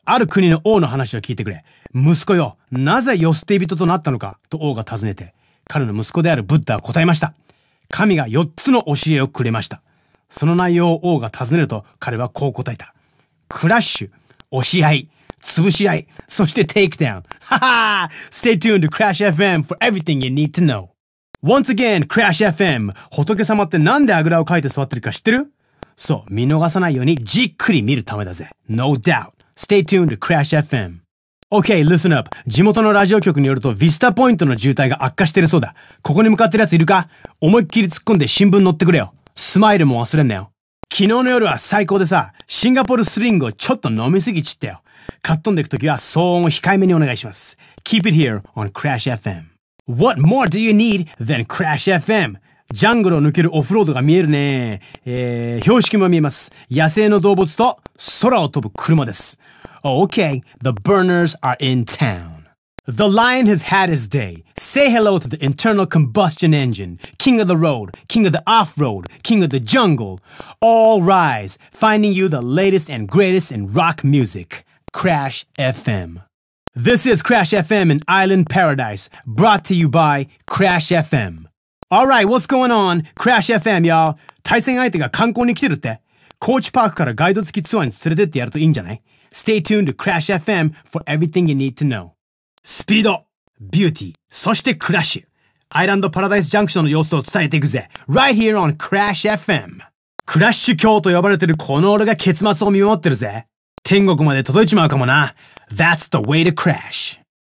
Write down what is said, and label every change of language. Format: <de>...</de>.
<ja>ある国の王の話を聞いてくれ。息子よ、なぜ世捨て人となったのかと王が尋ねて、彼の息子であるブッダは答えました。神が4つの教えをくれました。その内容を王が尋ねると彼はこう答えた。クラッシュ、教え合い。潰し合い、そしてテイクダウン。ははー</ja> <en>!Stay tuned to Crash FM for everything you need to know.Once again, Crash FM!</en> <ja>仏様ってなんであぐらをかいて座ってるか知ってる?そう、見逃さないようにじっくり見るためだぜ。</ja> <en>No doubt!Stay tuned to Crash FM.Okay, listen up!</en> <ja>地元のラジオ局によるとビスタポイントの渋滞が悪化してるそうだ。ここに向かってる奴いるか?思いっきり突っ込んで新聞乗ってくれよ。スマイルも忘れんなよ。昨日の夜は最高でさ、シンガポールスリングをちょっと飲みすぎちったよ。カットンでいくときは騒音を控えめにお願いします。</ja> <en>Keep it here on Crash FM. What more do you need than Crash FM?</en> <ja>ジャングルを抜けるオフロードが見えるね。標識も見えます。野生の動物と空を飛ぶ車です。</ja> <en>Oh, okay, the burners are in town. The lion has had his day. Say hello to the internal combustion engine. King of the road, king of the off-road, king of the jungle. All rise, finding you the latest and greatest in rock music. Crash FM. This is Crash FM in Island Paradise, brought to you by Crash FM. Alright, what's going on? Crash FM, y'all.</en> <ja>対戦相手が観光に来てるって。コーチパークからガイド付きツアーに連れてってやるといいんじゃない?</ja> <en>Stay tuned to Crash FM for everything you need to know.</en> <ja>スピード、ビューティー、そしてクラッシュ。アイランドパラダイスジャンクションの様子を伝えていくぜ。</ja> <en>Right here on Crash FM.</en> <ja>クラッシュ教と呼ばれてるこの俺が結末を見守ってるぜ。天国まで届いちまうかもな。</ja> <en>That's the way to crash.</en>